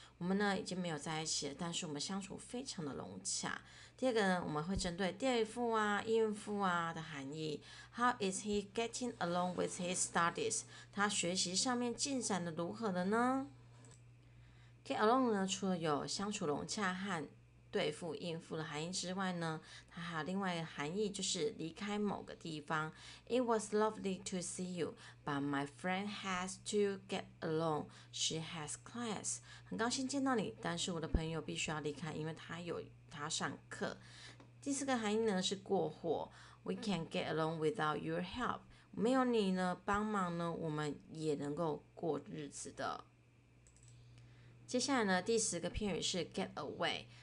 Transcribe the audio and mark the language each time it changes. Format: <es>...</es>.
<zh>我们呢已经没有在一起了，但是我们相处非常的融洽。第二个呢，我们会针对垫付啊、应付啊的含义。</zh> <en>How is he getting along with his studies?</en> <zh>他学习上面进展的如何的呢 ？Get along 呢，除了有相处融洽和对付、应付的含义之外呢，它还有另外一个含义，就是离开某个地方。</zh> <en>It was lovely to see you, but my friend has to get along. She has class.</en> <zh>很高兴见到你，但是我的朋友必须要离开，因为他上课。第四个含义呢是过火。</zh> <en>We can't get along without your help.</en> <zh>没有你呢帮忙呢，我们也能够过日子的。接下来呢，第十个片语是 get away。</zh>